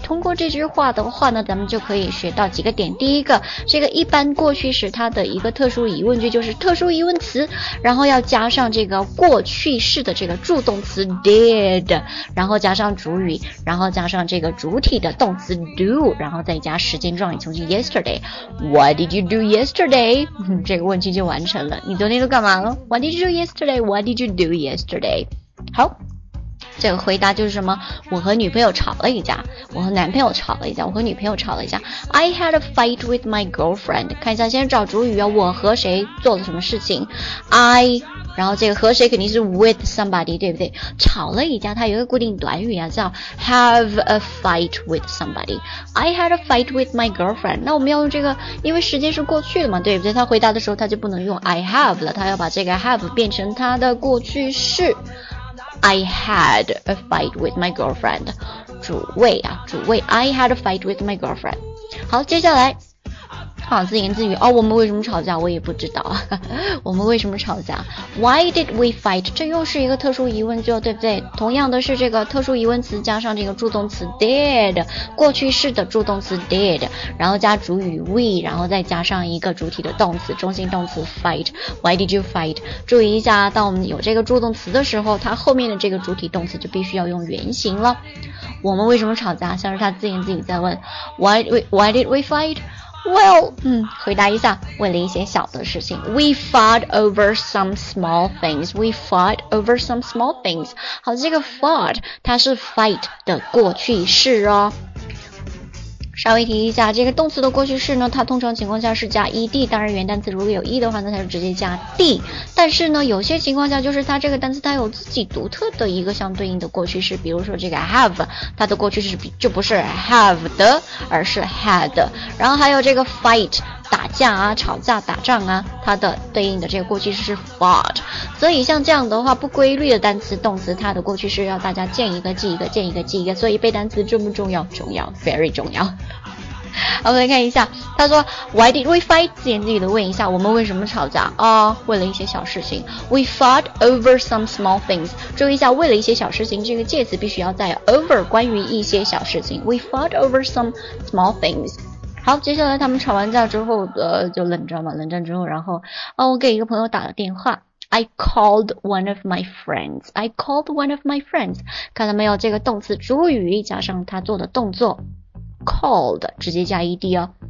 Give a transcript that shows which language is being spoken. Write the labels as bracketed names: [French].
[Chinese] 通过这句话的话呢，咱们就可以学到几个点。第一个，这个一般过去时它的一个特殊疑问句就是特殊疑问词，然后要加上这个过去式的这个助动词 did， 然后加上主语，然后加上这个主体的动词 do， 然后再加时间状语从句 yesterday。 [English] What did you do yesterday？、 [Chinese] 这个问题就完成了。你昨天都干嘛了 [English] ？What did you do yesterday？ What did you do yesterday？ [Chinese] 好，这个回答就是什么，我和女朋友吵了一架，我和男朋友吵了一架，我和女朋友吵了一架。 [English] I had a fight with my girlfriend， [Chinese] 看一下先找主语啊，我和谁做了什么事情。 I， 然后这个和谁肯定是 [English] with somebody， [Chinese] 对不对？吵了一架它有一个固定短语啊，叫 [English] have a fight with somebody。 I had a fight with my girlfriend， [Chinese] 那我们要用这个，因为时间是过去的嘛，对不对？他回答的时候他就不能用 [English] I have [Chinese] 了，他要把这个 have 变成他的过去式。 [English] I had a fight with my girlfriend， [Chinese] 主谓啊，主谓 [English] I had a fight with my girlfriend。 [Chinese] 好，接下来好，自言自语哦，我们为什么吵架我也不知道我们为什么吵架 [English] Why did we fight， [Chinese] 这又是一个特殊疑问句，对不对？同样的是这个特殊疑问词加上这个助动词 did， 过去式的助动词 did， 然后加主语 we， 然后再加上一个主体的动词中性动词 fight。 [English] Why did you fight， [Chinese] 注意一下，当我们有这个助动词的时候，它后面的这个主体动词就必须要用原形了。我们为什么吵架，像是他自言自语在问 [English] why did we fightWell， [Chinese] 回答一下，为了一些小的事情。 [English] We fought over some small things. We fought over some small things. [Chinese] 好，这个 fought 它是 fight 的过去式哦。稍微提一下，这个动词的过去式呢，它通常情况下是加 ed， 当然原单词如果有 e 的话呢，它就直接加 d。但是呢，有些情况下就是它这个单词它有自己独特的一个相对应的过去式，比如说这个 have， 它的过去式就不是 have 的，而是 had。然后还有这个 fight， 打架啊，吵架打仗啊，它的对应的这个过去式是 fought。所以像这样的话，不规律的单词动词它的过去式要大家见一个记一个，见一个记一个。所以背单词重不重要？重要， very 重要。我们来看一下，他说 [English] Why did we fight？ [Chinese] 自言自语的问一下，我们为什么吵架啊？为了一些小事情。 [English] We fought over some small things， [Chinese] 注意一下，为了一些小事情这个介词必须要在 over， 关于一些小事情。 [English] We fought over some small things。 [Chinese] 好，接下来他们吵完架之后就冷战嘛，冷战之后，然后我给一个朋友打了电话。 [English] I called one of my friends， [Chinese] 看到没有，这个动词主语加上他做的动作 called， 直接加 ed 哦。